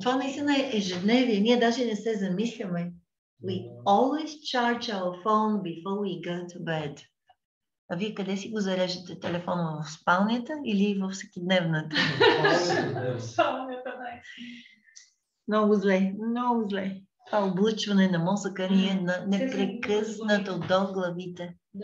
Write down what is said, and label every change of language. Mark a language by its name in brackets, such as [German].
[Bulgarian] Това наистина е ежедневие. Ние даже не се замисляме. [English] We always charge our phone before we go to bed. [Bulgarian] А вие къде си го зареждате? Телефона в спалнята или в всекидневната? Спалнята, най. Много зле, много зле. Това облъчване на мозъка ни е непрекъснато до главите.